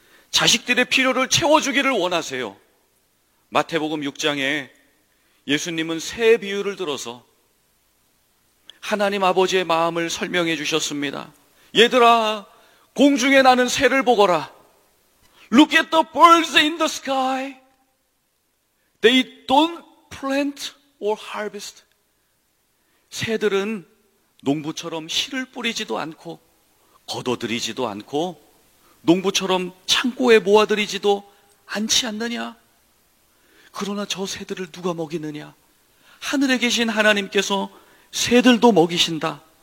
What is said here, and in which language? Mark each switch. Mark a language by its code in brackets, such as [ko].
[ko] 자식들의 필요를 채워주기를 원하세요. 마태복음 6장에 예수님은 새 비유를 들어서 하나님 아버지의 마음을 설명해 주셨습니다. 얘들아, 공중에 나는 새를 보거라. [en] Look at the birds in the sky. They don't plant or harvest. [ko] 새들은 농부처럼 실을 뿌리지도 않고 거둬들이지도 않고 농부처럼 창고에 모아들이지도 않지 않느냐? 그러나 저 새들을 누가 먹이느냐? 하늘에 계신 하나님께서 새들도 먹이신다.